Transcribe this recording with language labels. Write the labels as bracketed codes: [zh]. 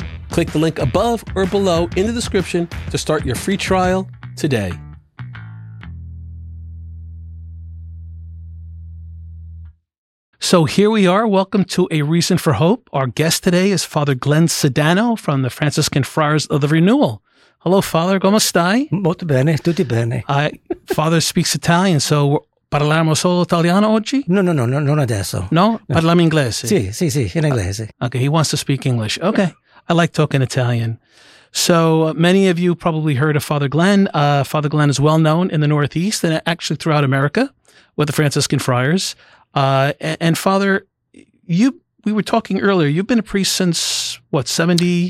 [en] Click the link above or below in the description to start your free trial today. So here we are. Welcome to A Reason for Hope. Our guest today is Father Glenn Sedano from the Franciscan Friars of the Renewal. Hello, Father. [it] Come stai? Molto bene. Tutti bene. [en] Father speaks Italian, so [it] parliamo solo italiano oggi? No, non adesso. No? Parliamo inglese? Sì, in inglese. [en] Okay, he wants to speak English. Okay. I like talking Italian. So many of you probably heard of Father Glenn. Father Glenn is well known in the Northeast and actually throughout America with the Franciscan Friars. And Father, we were talking earlier, you've been a priest since, what, 70?